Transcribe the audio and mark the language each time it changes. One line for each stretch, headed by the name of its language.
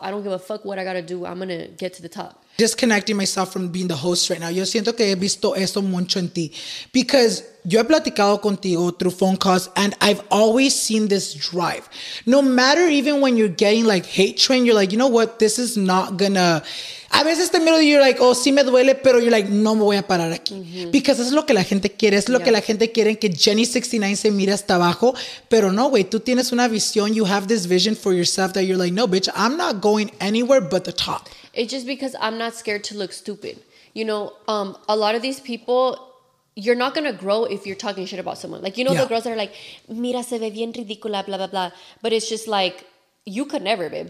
English: I don't give a fuck what I got to do. I'm going to get to the top. Disconnecting myself from being the host right now.
Spanish: Yo siento que he visto eso mucho en ti.
English: Because
Spanish: yo he platicado contigo
English: through phone calls and I've always seen this drive. No matter even when you're getting like hate train, you're like, you know what? This is not going to...
Spanish: A veces te miro y
English: you're like, oh,
Spanish: sí me duele, pero
English: you're like,
Spanish: no me voy a parar aquí. Mm-hmm.
English: Because
Spanish: es lo que la gente quiere. Es lo yeah. que la gente quiere, que Jenny 69 se mire hasta abajo. Pero no, güey, tú tienes una visión.
English: You have this vision for yourself that you're like, no, bitch, I'm not going anywhere but the top. It's just because I'm not scared to look stupid. You know, a lot of these people, you're not going to grow if you're talking shit about someone. Like, you know, yeah. the girls that are like,
Spanish: mira, se ve bien ridícula,
English: blah, blah, blah. But it's just like, you could never, babe.